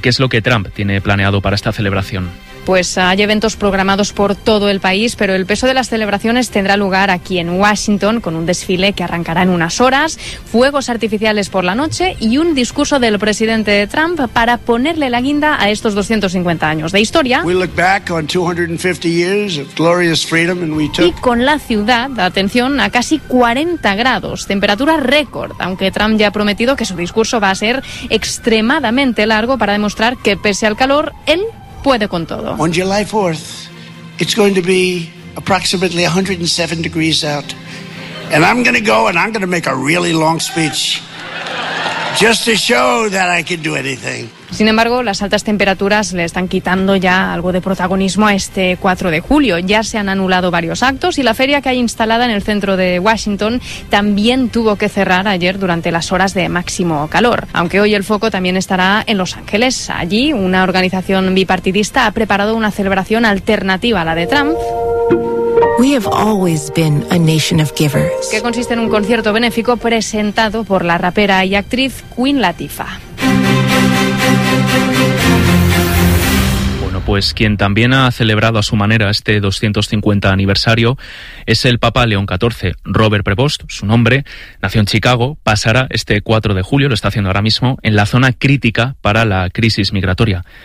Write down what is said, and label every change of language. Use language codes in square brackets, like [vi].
[es] ¿Qué es lo que Trump tiene planeado para esta celebración? Pues hay eventos programados por todo el país, pero el peso de las celebraciones tendrá lugar aquí en Washington, con un desfile que arrancará en unas horas, fuegos artificiales por la noche y un discurso del presidente Trump para ponerle la guinda a estos 250 años de historia. [en] We look back on 250 years of glorious freedom and we took... [es] Y con la ciudad, atención, a casi 40 grados, temperatura récord, aunque Trump ya ha prometido que su discurso va a ser extremadamente largo para demostrar que pese al calor, él puede con todo. [en] On July 4th, it's going to be approximately 107 degrees out. And I'm going to go and I'm going to make a really long speech just to show that I can do anything. [es] Sin embargo, las altas temperaturas le están quitando ya algo de protagonismo a este 4 de julio. Ya se han anulado varios actos y la feria que hay instalada en el centro de Washington también tuvo que cerrar ayer durante las horas de máximo calor. Aunque hoy el foco también estará en Los Ángeles. Allí, una organización bipartidista ha preparado una celebración alternativa a la de Trump. [en] We have always been a nation of givers. [es] Que consiste en un concierto benéfico presentado por la rapera y actriz Queen Latifah. Pues quien también ha celebrado a su manera este 250 aniversario es el Papa León XIV, Robert Prevost, su nombre, nació en Chicago, pasará este 4 de julio, lo está haciendo ahora mismo, en la zona crítica para la crisis migratoria.